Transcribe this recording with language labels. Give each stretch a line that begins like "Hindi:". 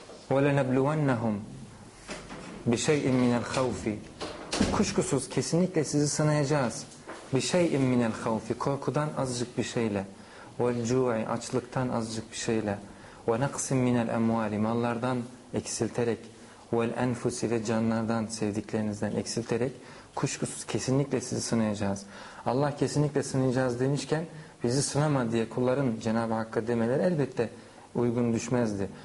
Arabic: وَلَنَبْلُوَنَّهُمْ بِشَيْءٍ مِنَ الْخَوْفِ,
Turkish: kuşkusuz kesinlikle sizi sınayacağız.
Arabic: بِشَيْءٍ مِنَ الْخَوْفِ,
Turkish: korkudan azıcık bir şeyle.
Arabic: وَالْجُوعِ,
Turkish: açlıktan azıcık bir şeyle.
Arabic: وَنَقْسٍ مِنَ الْاَمْوَالِ,
Turkish: mallardan eksilterek.
Arabic: وَالْاَنْفُسِ,
Turkish: ve canlardan, sevdiklerinizden eksilterek. Kuşkusuz kesinlikle sizi sınayacağız. Allah kesinlikle sınayacağız demişken bizi sınama diye kulların Cenab-ı Hakk'a demeleri elbette uygun düşmezdi.